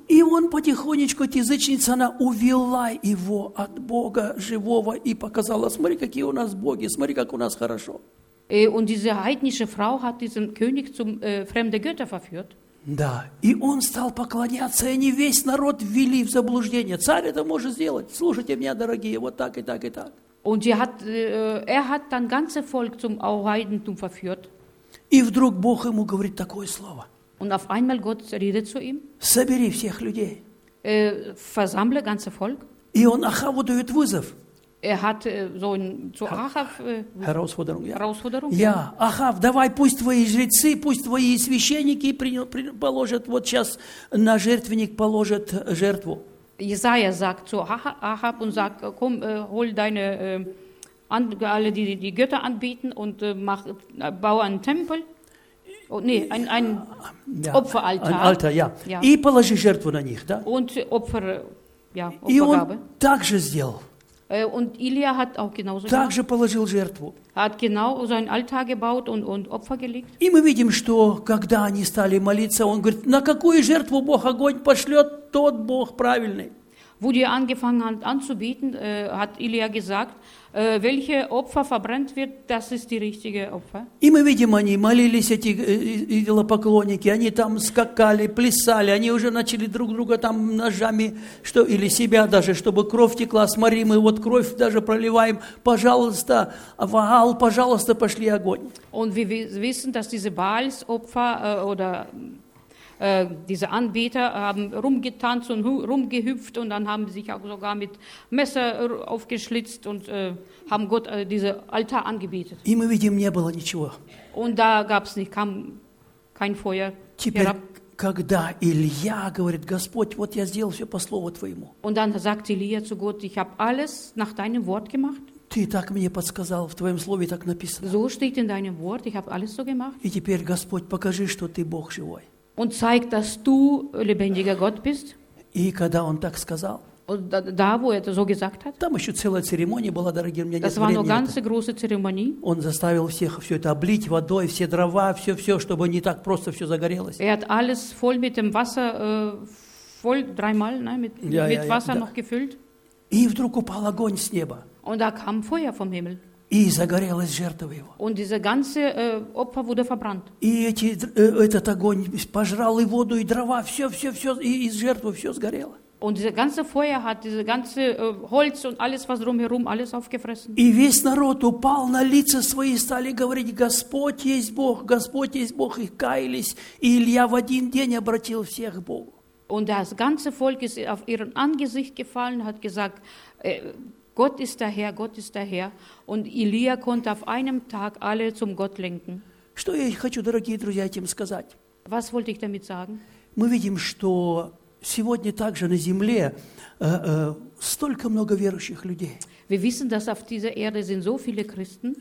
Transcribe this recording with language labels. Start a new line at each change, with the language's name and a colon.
Russian: И он потихонечку, эта язычница, она увела его от Бога живого и показала, смотри, какие у нас боги, смотри, как у нас хорошо.
German: Und diese heidnische Frau hat diesen König zum fremden Götter verführt.
Russian: Да, и он стал поклоняться, и они весь народ ввели в заблуждение. Царь это может сделать. Слушайте меня, дорогие, вот так и так и так.
German: Und hat dann ganze Volk zum Heidentum verführt.
Russian: И вдруг Бог ему говорит такое слово.
German: Und auf einmal Gott redet zu ihm.
Russian: Собери всех людей.
German: Versammle ganze Volk.
Russian: И он Ахаву дает вызов.
German: Hat so ein zu Ахав Herausforderung. Herausforderung.
Russian: Ja, Ахав, давай, пусть твои жрецы, пусть твои священники положат вот сейчас на жертвенник положат жертву.
German: Jesaja sagt zu Ahab und sagt, komm, hol deine alle die Götter anbieten und bau einen Tempel. Oh, nee, ein ja, Opferaltar. Ein Altar, ja. Ja.
Russian: И положи жертву на них, да?
German: Und Opfer, ja, Opfergabe.
Russian: И он так же сделал.
German: Und Илия hat auch genauso gemacht.
Russian: Также положил жертву.
German: Hat genau so ein Altar gebaut und Opfer gelegt.
Russian: И мы видим, что когда они стали молиться, он говорит, на какую жертву Бог огонь пошлет, тот Бог правильный.
German: Wo die angefangen haben anzubieten, hat Илия gesagt, welche Opfer verbrennt wird, das ist die richtige Opfer.
Russian: И мы видим, они молились, эти идолопоклонники, они там скакали, плясали, они уже начали друг друга там ножами, что, или себя даже, чтобы кровь текла, смотри, мы вот кровь даже проливаем, пожалуйста, Ваал, пожалуйста, пошли огонь.
German: Und wir wissen, dass diese Baals-Opfer oder diese Anbieter haben rumgetanzt und rumgehüpft und dann haben sie sich auch sogar mit Messer aufgeschlitzt und haben Gott diese Altar angebetet.
Russian: И мы видим, не было ничего.
German: Und da gab es nicht, kam kein Feuer
Russian: Теперь,
German: herab.
Russian: Когда Илья говорит, Господь, вот я сделал все по слову Твоему.
German: Und dann sagt Илья zu Gott, ich habe alles nach deinem Wort gemacht.
Russian: Ты так мне подсказал, в Твоем Слове так написано.
German: So steht in deinem Wort, ich habe alles so gemacht.
Russian: И теперь, Господь, покажи, что Ты Бог живой.
German: Und zeigt, dass du lebendiger Gott bist.
Russian: И когда он так сказал,
German: da, wo er so gesagt hat,
Russian: там еще целая церемония была, дорогие, у меня
German: das
Russian: нет времени.
German: Das war ganz große Zeremonie.
Russian: Он заставил всех все это облить водой, все дрова, все, чтобы не так просто все загорелось.
German: Er hat alles voll mit dem Wasser, voll dreimal, ne, mit Wasser noch gefüllt.
Russian: И вдруг упал огонь с неба.
German: Und da kam Feuer vom Himmel.
Russian: И загорелась жертва его.
German: Und diese ganze Opfer wurde verbrannt.
Russian: И этот огонь пожрал и воду, и дрова, все, и жертва, все сгорело.
German: Und dieses ganze Feuer hat dieses ganze Holz und alles, was drumherum, alles aufgefressen.
Russian: И весь народ упал на лица свои, стали говорить, Господь есть Бог, Господь есть Бог, и каялись, и Илья в один день обратил всех к Богу.
German: Und das ganze Volk ist auf ihren Angesicht gefallen, hat gesagt, Gott ist der Herr, Gott ist der Herr. Und Илия konnte auf einem Tag alle zum Gott lenken.
Russian: Что я хочу, дорогие друзья, этим сказать?
German: Was wollte ich damit sagen?
Russian: Мы видим, что сегодня также на земле столько много верующих людей.
German: Wir wissen, dass auf dieser Erde sind so viele Christen.